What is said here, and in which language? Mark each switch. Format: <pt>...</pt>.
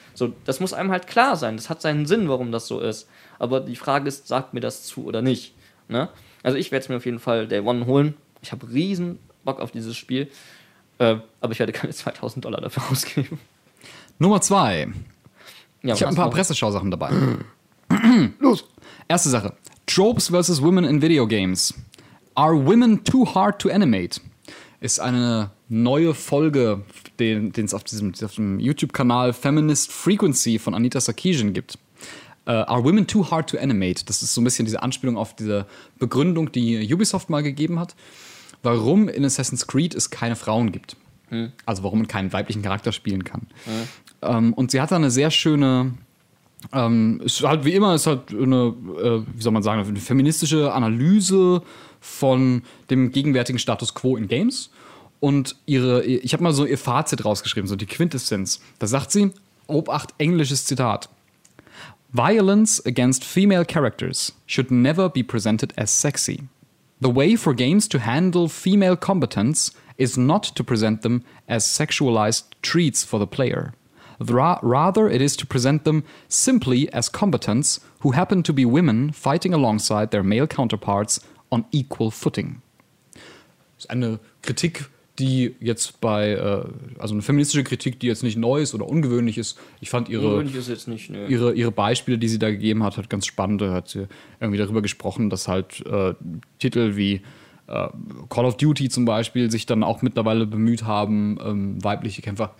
<de>So, das muss einem halt klar sein. Das hat seinen Sinn, warum das so ist. Aber die Frage ist, sagt mir das zu oder nicht? Ne? Also ich werde es mir auf jeden Fall Day One holen. Ich habe riesen Bock auf dieses Spiel. Aber ich werde keine $2,000 dafür ausgeben. Nummer 2. Ja, ich habe ein paar Presseschausachen dabei. Los! Erste Sache. Tropes vs. Women in Video Games.</de> <en>Are Women Too Hard to Animate?</en> <de>Ist eine neue Folge, den es auf diesem YouTube-Kanal Feminist Frequency von Anita Sarkeesian gibt.</de> <en>Are Women Too Hard to Animate?</en> <de>Das ist so ein bisschen diese Anspielung auf diese Begründung, die Ubisoft mal gegeben hat. Warum in Assassin's Creed es keine Frauen gibt. Hm. Also warum man keinen weiblichen Charakter spielen kann. Hm. Und sie hat da eine sehr schöne. Ist halt wie immer, ist halt eine, wie soll man sagen, eine feministische Analyse von dem gegenwärtigen Status quo in Games. Und ich habe mal so ihr Fazit rausgeschrieben, so die Quintessenz. Da sagt sie, Obacht, englisches Zitat: Violence against female characters should never be presented as sexy.</de> <en>The way for games to handle female combatants is not to present them as sexualized treats for the player. Rather, it is to present them simply as combatants who happen to be women fighting alongside their male counterparts on equal footing.</en> <de>Das ist eine Kritik, die jetzt bei, also eine feministische Kritik, die jetzt nicht neu ist oder ungewöhnlich ist. Ich fand ihre Beispiele, die sie da gegeben hat, halt ganz spannend. Da hat sie irgendwie darüber gesprochen, dass halt Titel wie Call of Duty zum Beispiel sich dann auch mittlerweile bemüht haben, weibliche Kämpfer.</de>